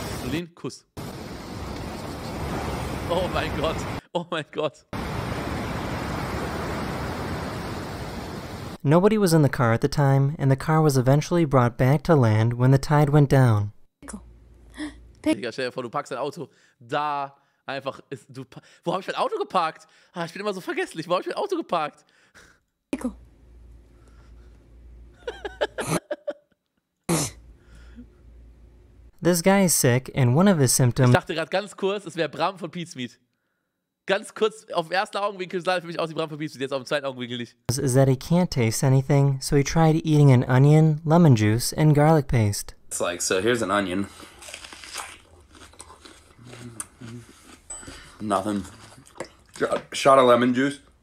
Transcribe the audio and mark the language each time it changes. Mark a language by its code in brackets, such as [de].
[de] Lin, Kuss. Oh mein Gott. Oh mein Gott. [en] Nobody was in the car at the time, and the car was eventually brought back to land when the tide went down. [de] Digga, stell dir vor, du parkst dein Auto da, einfach, wo habe ich mein Auto geparkt? Ah, ich bin immer so vergesslich, wo habe ich mein Auto geparkt? [en] Pickle. This guy is sick and one of his symptoms... [de] Ich dachte gerade ganz kurz, es wäre Bram von Pete's Meat. Ganz kurz, auf dem ersten Augenwinkel sah er für mich aus wie Bram von Pete's Meat, jetzt auf dem zweiten Augenwinkel nicht. [en] ...is that he can't taste anything, so he tried eating an onion, lemon juice and garlic paste. It's like, so here's an onion. Nothing. Shot of lemon juice.